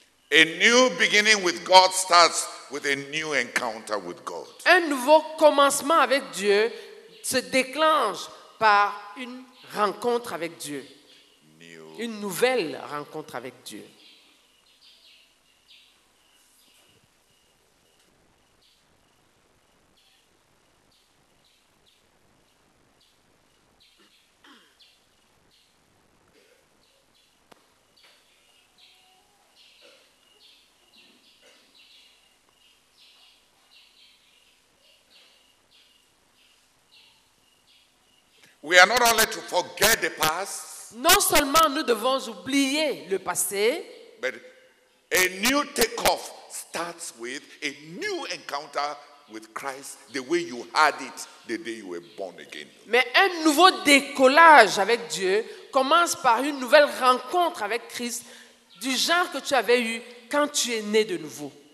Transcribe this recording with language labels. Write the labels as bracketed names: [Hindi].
[English] A new beginning with God starts with a new encounter with God. [French] Un nouveau commencement avec Dieu se déclenche par une rencontre avec Dieu. Une nouvelle rencontre avec Dieu. [English] We are not only to forget the past, [French] non seulement nous devons oublier le passé, [English] but a new takeoff starts with a new encounter with Christ, the way you had it the day you were born again. [French] Mais un nouveau décollage avec Dieu commence par une nouvelle rencontre avec Christ, du genre que tu avais eu quand tu es né de nouveau.